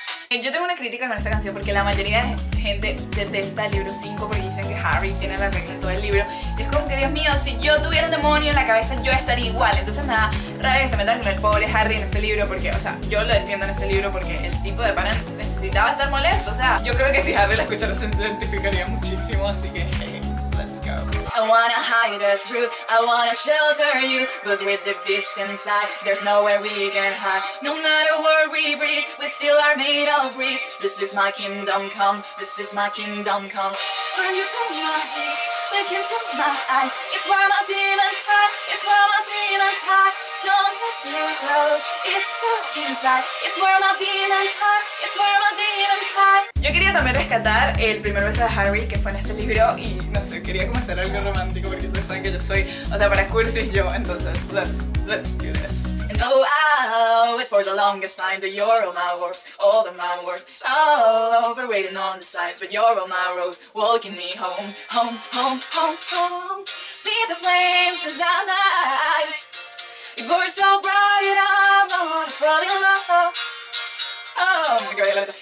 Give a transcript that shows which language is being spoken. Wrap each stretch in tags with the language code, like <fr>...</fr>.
<es>Yo tengo una crítica con esta canción porque la mayoría de gente detesta el libro 5 porque dicen que Harry tiene la regla en todo el libro. Y es como que, Dios mío, si yo tuviera un demonio en la cabeza, yo estaría igual. Entonces me da rabia que se metan con el pobre Harry en este libro porque, o sea, yo lo defiendo en este libro porque el tipo de pana necesitaba estar molesto. O sea, yo creo que si Harry la escuchara se identificaría muchísimo, así que,</es> <en>let's go. I wanna hide the truth, I wanna shelter you, but with the beast inside, there's nowhere we can hide. No matter what we breathe, we still are made of grief. This is my kingdom come, this is my kingdom come. When you turn my head, look into my eyes, it's where my demons hide, it's where my demons hide. Don't get too close, it's stuck inside, it's where my demons hide, it's where my demons hide.</en> <es>Yo quería también rescatar el primer beso de Harry que fue en este libro y no sé, quería como hacer algo romántico porque ustedes saben que yo soy, o sea, para cursis yo, entonces,</es> <en>let's do this. And oh, oh, it's for the longest time that you're on my words, all of my words, all over waiting on the signs, but you're on my road, walking me home, home, home, home, home. See the flames as I'm alive, you're so bright, I'm gonna fall in love. Oh my god, I love that.</en>